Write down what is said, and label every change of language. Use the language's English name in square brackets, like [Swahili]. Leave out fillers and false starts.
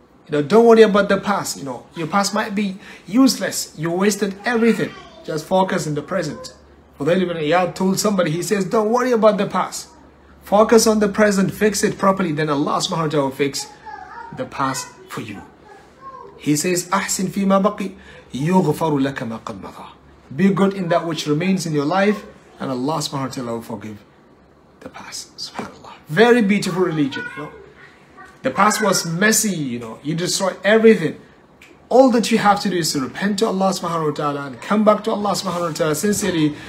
[English] Now, don't worry about the past. You know, your past might be useless. You wasted everything. Just focus in the present. Although even Iyad told somebody, he says, don't worry about the past. Focus on the present. Fix it properly. Then Allah subhanahu wa ta'ala will fix the past for you. [Arabic] He says, أحسن فيما بقي يغفر لك ما قد مضى. [English] Be good in that which remains in your life, and Allah subhanahu wa ta'ala will forgive the past. SubhanAllah. Very beautiful religion, you know. The past was messy, you know, you destroyed everything. All that you have to do is to repent to Allah subhanahu wa ta'ala and come back to Allah subhanahu wa ta'ala sincerely.